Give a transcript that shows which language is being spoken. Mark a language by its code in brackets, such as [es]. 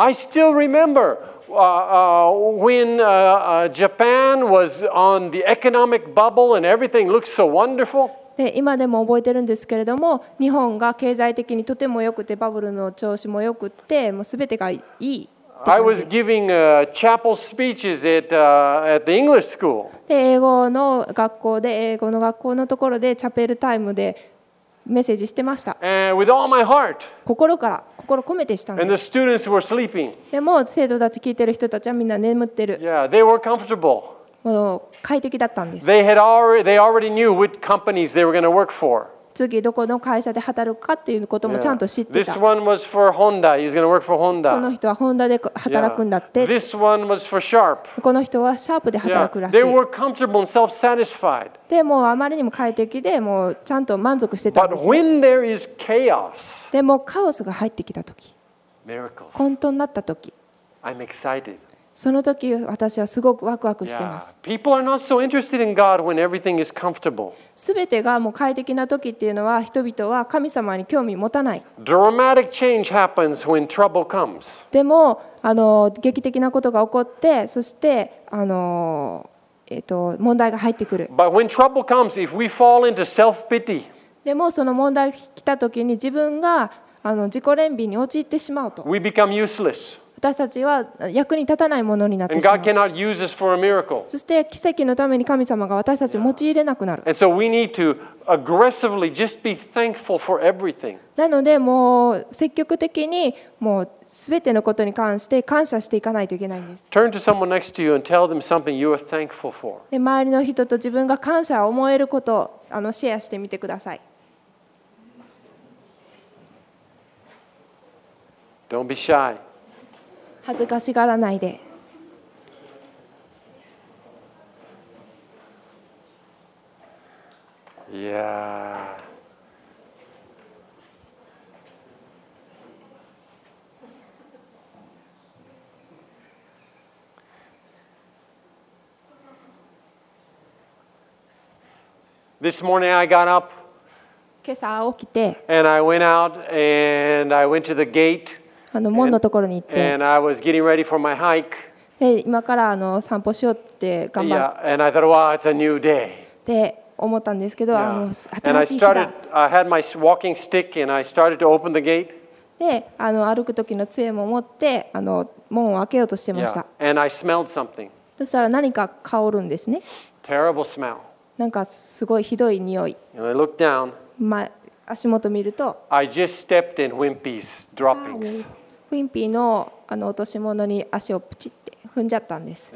[en] I still remember. When Japan was on the economic bubble and everything looked so wonderful. [ja] で今でも覚えてるんですけれども、日本が経済的にとても良くてバブルの調子も良くて、もうすべてがいい。 [en] I was giving chapel speeches at the English school. [ja] で英語の学校で英語の学校のところでチャペルタイムでメッセージしてました。 [en] And with all my heart. [ja] 心から。心込めてしたんです。でも生徒たち、聞いてる人たちはみんな眠ってる。 [en] Yeah, they were comfortable. [ja] もう快適だったんです。 [en] They had already, they already knew which companies they were going to work for. [ja] 次どこの会社で働くかっていうこともちゃんと知ってた。 [en] Yeah. This one was for Honda. He's going to work for Honda. [ja] この人はホンダで働くんだって。 [en] Yeah. This one was for Sharp. [ja] この人はシャープで働くらしい。 [en] Yeah. They were comfortable and self-satisfied. [ja] でもあまりにも快適でもうちゃんと満足してたんです。 [en] But when there is chaos, [ja] でもカオスが入ってきた時、 [en] miracles, [ja] 混沌になった時、 [en] I'm excited. [ja] その時私はすごくワクワクしてます。 [en] Yeah. People are not so interested in God when everything is comfortable. [ja] すべてがもう快適な時っていうのは人々は神様に興味持たない。 [en] Dramatic change happens when trouble comes. [ja] でも劇的なことが起こって、そして問題が入ってくる。 [en] But when trouble comes, if we fall into self-pity, [ja] でもその問題が来た時に自分が自己憐憫に陥ってしまうと。 [en] We become useless. [ja] 私たちは役に立たないものになってしまう。 [en] And God cannot use us for a miracle. [ja] そして奇跡のために神様が私たちを用いれなくなる。 [en] And so we need to aggressively just be thankful for everything. [ja] なのでもう積極的にもう全てのことに関して感謝していかないといけないんです。 [en] Turn to someone next to you and tell them something you are thankful for. [ja] で周りの人と自分が感謝を思えることをシェアしてみてください。 [en] Don't be shy. [ja] 恥ずかしがらないで。 [en] いやThis morning I got up. [ja] 今朝起きて。 [en] And I went out and I went to the gate. [ja] 門のところに行って。 [en] And I was getting ready for my hike. [ja] で今から散歩しようって頑張って。 [en] Yeah, and I thought, wow, it's a new day. [ja] で思ったんですけど、yeah. 新しい日だ。 [en] And I started, I had my walking stick and I started to open the gate. [ja] で歩く時の杖も持って門を開けようとしてました。 [en] Yeah. And I smelled something. [ja] そしたら何か香るんですね。 [en] Terrible smell. [ja] なんかすごいひどい匂い。 [en] And I looked down, [ja] 足元見ると、 [en] I just stepped in Wimpy's droppings. [ja] ウィンピーの落とし物に足をプチって踏んじゃったんです。